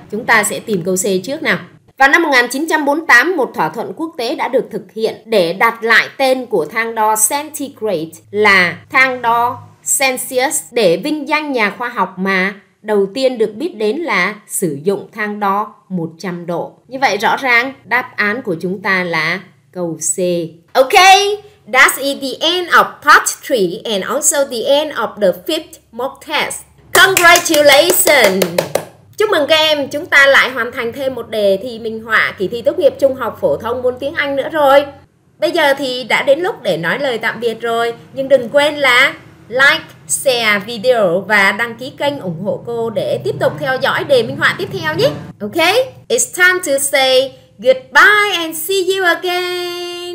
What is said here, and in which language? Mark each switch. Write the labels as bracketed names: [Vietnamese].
[Vietnamese] Chúng ta sẽ tìm câu C trước nào. Vào năm 1948, một thỏa thuận quốc tế đã được thực hiện để đặt lại tên của thang đo centigrade là thang đo Celsius để vinh danh nhà khoa học mà đầu tiên được biết đến là sử dụng thang đo 100 độ. Như vậy rõ ràng đáp án của chúng ta là câu C. [English] Ok, that's it, the end of part 3 and also the end of the fifth mock test. Congratulations! [Vietnamese] Chúc mừng các em, chúng ta lại hoàn thành thêm một đề thi minh họa kỳ thi tốt nghiệp trung học phổ thông môn tiếng Anh nữa rồi. Bây giờ thì đã đến lúc để nói lời tạm biệt rồi, nhưng đừng quên là like, share video và đăng ký kênh ủng hộ cô để tiếp tục theo dõi đề minh họa tiếp theo nhé. [English] Ok, it's time to say goodbye and see you again.